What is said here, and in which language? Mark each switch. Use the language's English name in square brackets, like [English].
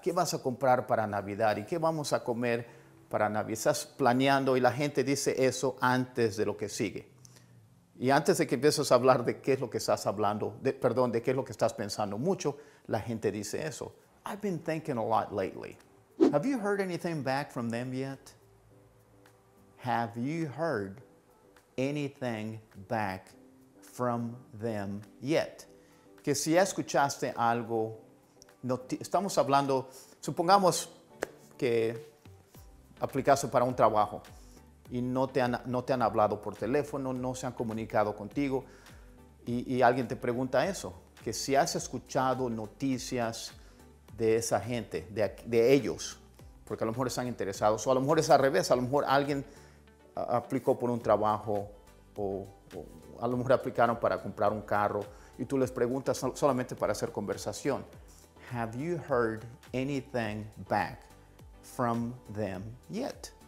[Spanish] ¿Qué vas a comprar para Navidad? ¿Y qué vamos a comer para Navidad? Estás planeando y la gente dice eso antes de lo que sigue. Y antes de que empieces a hablar de qué es lo que estás hablando, de qué es lo que estás pensando mucho, la gente dice eso. [English] I've been thinking a lot lately. Have you heard anything back from them yet? Have you heard anything back from them yet? [Spanish] Que si ya escuchaste algo, estamos hablando, supongamos que aplicaste para un trabajo y no te han hablado por teléfono, no se han comunicado contigo y alguien te pregunta eso, que si has escuchado noticias de esa gente, de ellos, porque a lo mejor están interesados, o a lo mejor es al revés, a lo mejor alguien aplicó por un trabajo o a lo mejor aplicaron para comprar un carro y tú les preguntas solamente para hacer conversación. [English] Have you heard anything back from them yet?